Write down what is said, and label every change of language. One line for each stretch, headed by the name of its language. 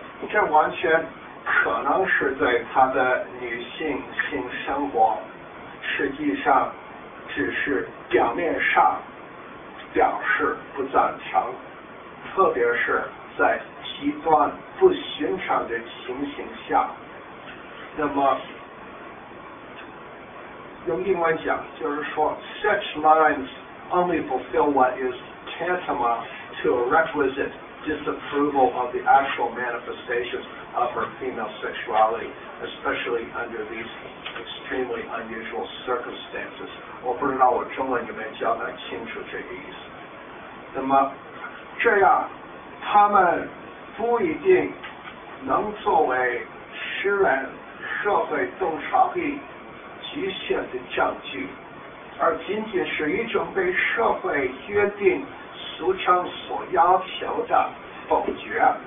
Chinese: 这完全可能是对他的女性性生活，实际上只是表面上表示不赞成，特别是在极端不寻常的情形下。那么用英文讲就是说
English: such lines only fulfill what is tantamount to a requisite disapproval of the actual manifestations of her female sexuality, especially under these extremely unusual circumstances。
Chinese: 我不知道我中文里面讲得清楚这个意思。那么这样他们不一定能作为诗人社会洞察力局限的证据，而仅仅是一种被社会约定俗称所要求的否决。